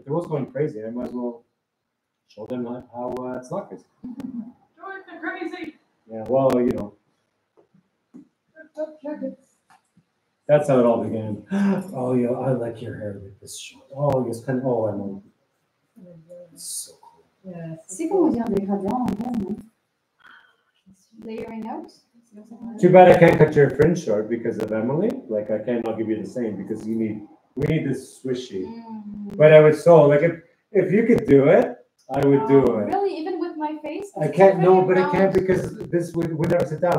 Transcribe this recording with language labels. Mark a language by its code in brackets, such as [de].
[en] If it was going crazy, I might as well show them how it's not crazy. Join the crazy! Yeah, well, you know. That's how it all began. Oh, yeah, I like your hair with this short. Oh, it's kind of, oh, I'm old. So cool. Yeah. [fr] C'est comme dire des gradients en bas, non? [en] Layering out. Too bad I can't cut your fringe short because of Emily. Like I cannot give you the same because we need this swishy. Mm-hmm. But I would so like if you could do it, I would do it. Really, even with my face? I can't. No, but I can't because this would never sit down.